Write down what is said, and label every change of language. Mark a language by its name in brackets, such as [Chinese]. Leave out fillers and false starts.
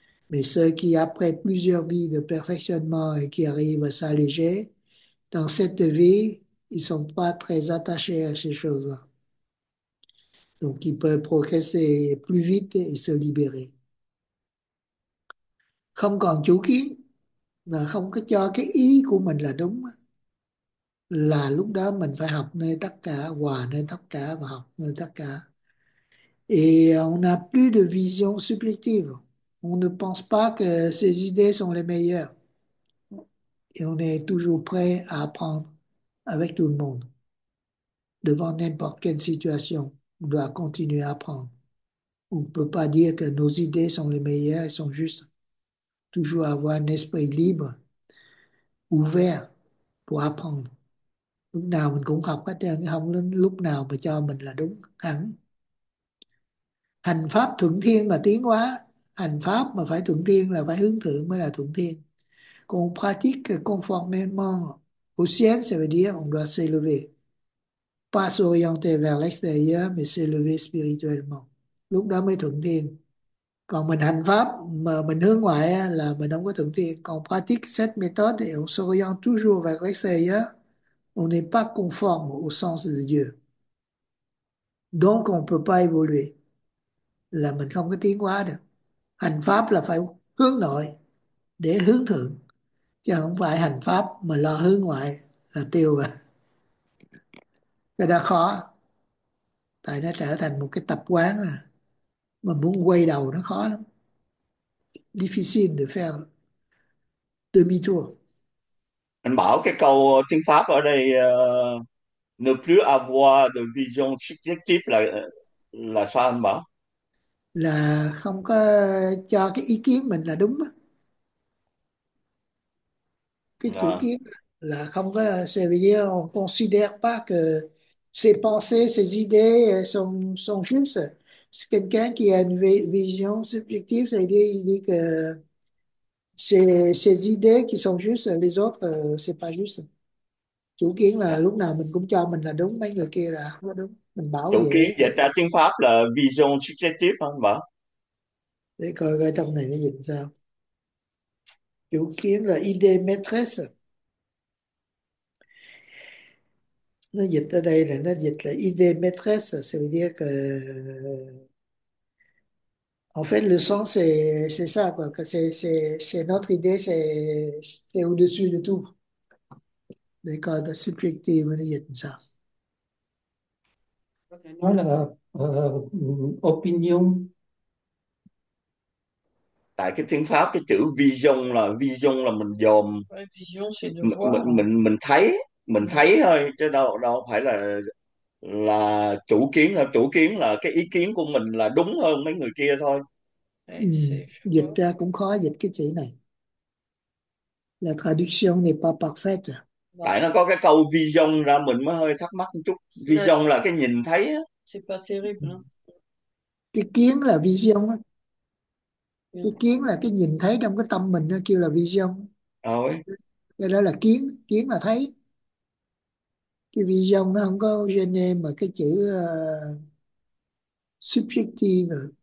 [French] Mais ceux qui, après plusieurs vies de perfectionnement et qui arrivent à s'alléger, dans cette vie, ils ne sont pas très attachés à ces choses-là. Donc, ils peuvent progresser plus vite et se libérer. [Vietnamese] Không còn chủ kiến là không có cho cái ý của mình là đúng, là lúc đó mình phải học nơi tất cả, hòa nơi tất cả và học nơi tất cả. [French] Et on n'a plus de vision subjective. On ne pense pas que ces idées sont les meilleures. On est toujours prêt à apprendre avec tout le monde. Devant n'importe quelle situation, on doit continuer à apprendre. On ne peut pas dire que nos idées sont les meilleures et sont justes. Toujours avoir un esprit libre, ouvert pour apprendre. [Vietnamese] Lúc nào mình cũng học hết trơn, không lúc nào mà cho mình là đúng hẳn. Hành pháp thuận thiên mà tiến hóa, hành pháp mà phải thuận thiên là phải hướng thượng mới là thuận thiên. [French] Còn pratique conformément au ciel, ça veut dire on doit s'élever. Pas s'orienter vers l'extérieur, mais s'élever spirituellement. [Vietnamese] Lúc đó mới thuận thiên. Còn mình hành pháp mà mình hướng ngoại là mình không có thuận thiên. [French] Còn pratique cette méthode et on s'oriente toujours vers l'extérieur, on n'est pas conforme au sens de Dieu. Donc on ne peut pas évoluer. [Vietnamese] Là mình không có tiến hóa được. Hành pháp là phải hướng nội để hướng thượng, chứ không phải hành pháp mà lo hướng ngoại là tiêu rồi. Cái đó khó, tại nó trở thành một cái tập quán rồi. Mà muốn quay đầu nó khó lắm. [French] Difficile de faire demi-tour. [Vietnamese] Anh bảo cái câu tiếng Pháp ở đây [French] ne plus avoir de vision subjective [Vietnamese] là sao anh bảo? Là không có cho cái ý kiến mình là đúng đó. Cái chủ Dạ. kiến là không có, [French] c'est-à-dire on considère pas que ses pensées, ses idées sont justes. Quelqu'un qui a une vision subjective, c'est-à-dire il dit que ses idées qui sont justes, les autres, c'est pas juste. [Vietnamese] Chủ kiến là lúc nào mình cũng cho mình là đúng, mấy người kia là không có đúng. Mình bảo Chủ gì kiến vậy? dịch ra tiếng Pháp là vision subjective không bảo? Để coi cái trong này nó dịch sao. Chủ kiến là idée maîtresse. Nó dịch ở đây là nó dịch là [French] idée maîtresse, ça veut dire que en fait le sens c'est ça quoi, que c'est notre idée, c'est au-dessus de tout. D'accord, la subjective, on dit ça. [Vietnamese] Là opinion. Tại cái tiếng Pháp cái chữ vision là [French] Ouais, vision, c'est de [Vietnamese] mình [French] voir. [Vietnamese] dòm mình thấy thôi chứ đâu phải là chủ kiến, là chủ kiến là cái ý kiến của mình là đúng hơn mấy người kia thôi. Hey, Dạ. dịch ra cũng khó dịch cái chữ này. [French] La traduction n'est pas parfaite. [Vietnamese] Tại nó có cái câu vision ra mình mới hơi thắc mắc một chút. Là Vision là cái nhìn thấy á. [French] c'est pas terrible. [Vietnamese] Cái kiến là vision. [French] Hein? [Vietnamese] Cái kiến là cái nhìn thấy trong cái tâm mình, nó kêu là vision. Rồi. Cái đó là kiến, kiến là thấy. Cái vision nó không có gene mà cái chữ subjective.